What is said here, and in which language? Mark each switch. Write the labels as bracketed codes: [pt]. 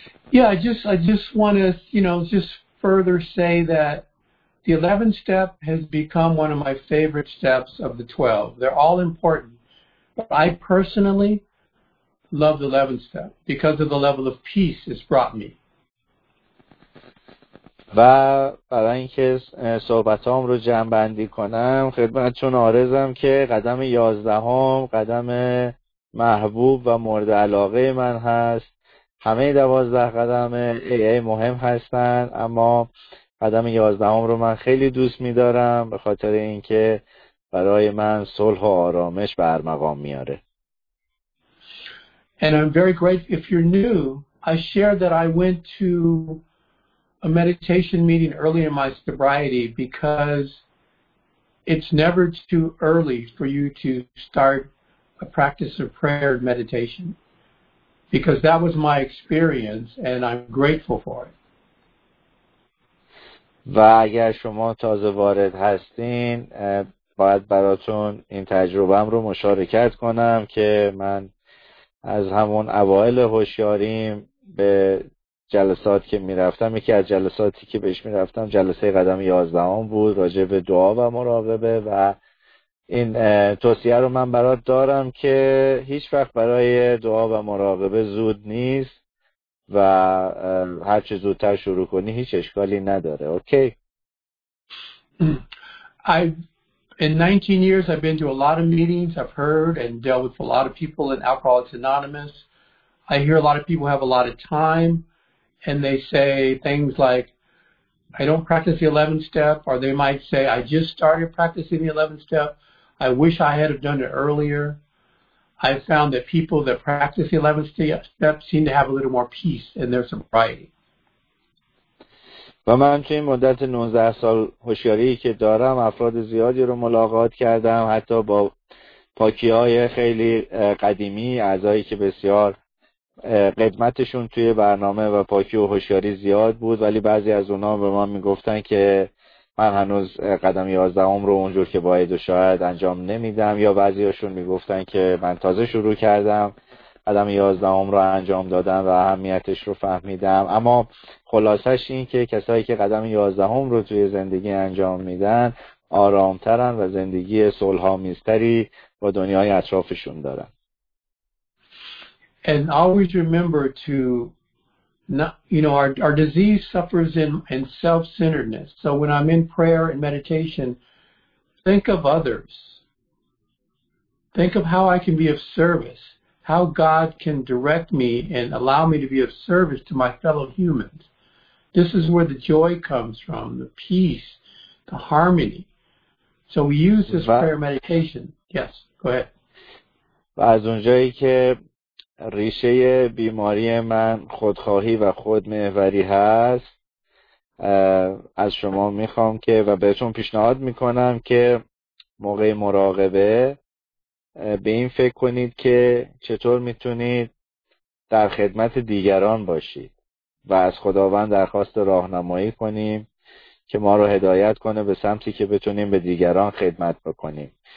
[en] Yeah, I just want to, you know, just further say that the 11th step has become one of my favorite steps of the 12. They're all important. But I personally love the 11th step because of the level of peace it's brought me. [fa] و برای اینکه صحبتام رو جمع‌بندی کنم خدمتتون عارضم که قدم 11ام قدم محبوب و مورد علاقه من هست. همه 12 قدم ای مهم هستن، اما قدم 11ام رو من خیلی دوست می‌دارم به خاطر اینکه برای من صلح و آرامش به ارمغان میاره. [en] And I'm very grateful. If you're new, I shared that I went to a meditation meeting early in my sobriety because it's never too early for you to start a practice of prayer and meditation, because that was my experience and I'm grateful for it. [fa] و اگر شما تازه وارد هستین باید براتون این تجربه رو مشارکت کنم که من از همون اوائل هوشیاریم به جلسات که می رفتم، یکی از جلساتی که بهش می رفتم جلسه قدم 11ام بود راجع به دعا و مراقبه، و این توصیه رو من برات دارم که هیچ وقت برای دعا و مراقبه زود نیست و هر چه زودتر شروع کنی هیچ اشکالی نداره. اوکی. [en] In 19 years I've been to a lot of meetings, I've heard and dealt with a lot of people in Alcoholics Anonymous. I hear a lot of people have a lot of time and they say things like, I don't practice the 11th step, or they might say, I just started practicing the 11th step, I wish I had have done it earlier. I've found that people that practice the 11th step seem to have a little more peace in their sobriety. [fa] و من توی این مدت 19 سال هوشیاری که دارم افراد زیادی رو ملاقات کردم، حتی با پاکی‌های خیلی قدیمی، اعضایی که بسیار قدمتشون توی برنامه و پاکی و هوشیاری زیاد بود، ولی بعضی از اونا به من میگفتن که من هنوز قدم 11ام رو اونجور که باید و شاید انجام نمیدم، یا بعضی هاشون میگفتن که من تازه شروع کردم قدم 11ام رو انجام دادم و اهمیتش رو فهمیدم. اما خلاصش این که کسایی که قدم 11ام رو توی زندگی انجام میدن آرامترن و زندگی صلح‌آمیزتری با دنیای اطرافشون دارن. [en] And always remember to not, you know, our disease suffers in self-centeredness. So when I'm in prayer and meditation, think of others. Think of how I can be of service. How God can direct me and allow me to be of service to my fellow humans. This is where the joy comes from, the peace, the harmony. So we use this prayer meditation. Yes, go ahead. [fa] و از اونجایی که ریشه بیماری من خودخواهی و خودمحوری هست، از شما میخوام که و بهتون پیشنهاد میکنم که موقع مراقبه به این فکر کنید که چطور میتونید در خدمت دیگران باشید و از خداوند درخواست راهنمایی کنیم که ما رو هدایت کنه به سمتی که بتونیم به دیگران خدمت بکنیم.